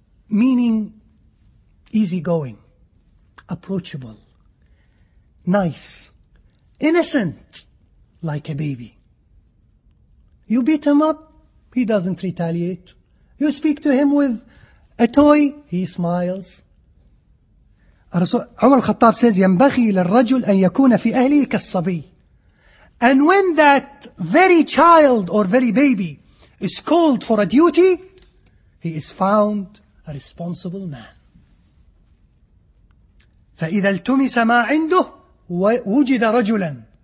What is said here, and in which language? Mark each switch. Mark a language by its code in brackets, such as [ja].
[en] Meaning, easygoing, approachable, nice, innocent, like a baby. You beat him up, he doesn't retaliate. You speak to him with a toy, he smiles. Umar al-Khattab says, [ar] يَنْبَغِي لِلْرَجُلْ أَنْ يَكُونَ فِي أَهْلِهِ كَالصَّبِيِّ. [en] And when that very child or very baby is called for a duty, he is found a responsible man. [ar] فَإِذَا الْتُمِسَ مَا عِنْدُهُ وُجِدَ رَجُلًا.